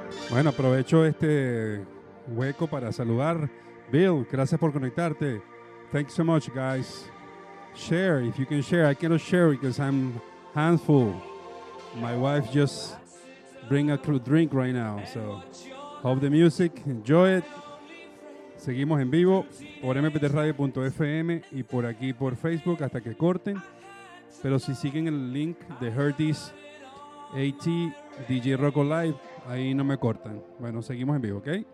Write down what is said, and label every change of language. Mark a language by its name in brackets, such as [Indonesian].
[Spanish] Bueno, aprovecho este hueco para saludar. Bill, gracias por conectarte. [English] Thank you so much, guys. Share, if you can share. I cannot share because I'm handful. My wife just bring a drink right now. So, hope the music. Enjoy it. [Spanish] Seguimos en vivo por mptradio.fm y por aquí por Facebook hasta que corten. Pero si siguen el link de Herdis, AT, DJ Rocco Live, ahí no me cortan. Bueno, seguimos en vivo, ¿ok?